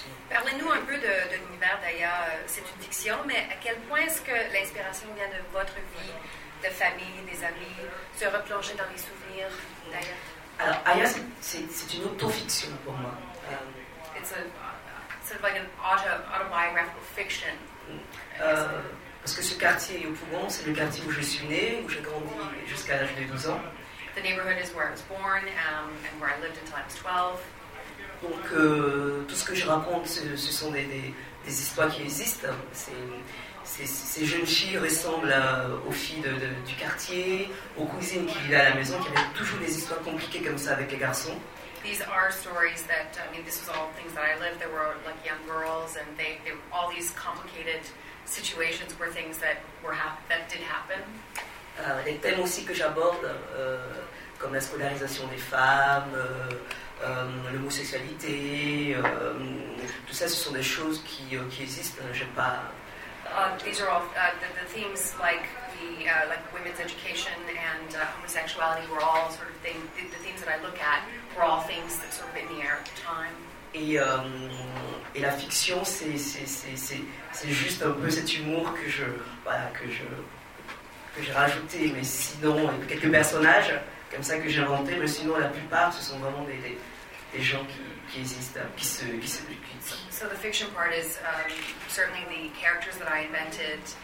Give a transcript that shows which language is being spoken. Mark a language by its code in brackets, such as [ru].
[fr] Parlez-nous un peu de l'univers d'Aya, c'est une fiction, mais à quel point est-ce que l'inspiration vient de votre vie, de famille, des amis, se replonger dans les souvenirs d'Aya? Alors, Aya, c'est une auto-fiction pour moi. [en] It's an autobiographical fiction. [fr] Parce que ce quartier, Yopougon, c'est le quartier où je suis née, où j'ai grandi jusqu'à l'âge de 12 ans. [en] The neighborhood is where I was born and where I lived until I was 12. [fr] Donc, tout ce que je raconte, ce sont des histoires qui existent. Ces jeunes filles ressemblent aux filles du quartier, aux cousines qui vivaient à la maison, qui avaient toujours des histoires compliquées comme ça avec les garçons. [en] These are stories that, I mean, this was all things that I lived. There were like young girls, and they were all these complicated situations where things that did happen. [fr] Les thèmes aussi que j'aborde, comme la scolarisation des femmes, l'homosexualité, tout ça, ce sont des choses qui existent. J'aime pas. [en] These are all the themes like women's education and homosexuality were all sort of things. The themes that I look at were all things that sort of in the air at the time. [fr] Et la fiction, c'est juste un peu cet humour que j'ai rajouté, mais sinon quelques personnages comme ça que j'ai inventé, mais sinon la plupart, ce sont vraiment des gens qui existent, qui se. [en] So the fiction part is certainly the characters that I invented.